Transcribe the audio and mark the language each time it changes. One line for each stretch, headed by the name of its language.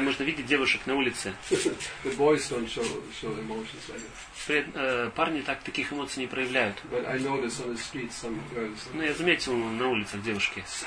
Russian: можно видеть девушек на улице.
English: The boys don't show emotions like that.
Russian: Парни так таких эмоций не проявляют.
English: But I noticed on the street some girls.
Russian: Ну, я заметил на улицах девушки.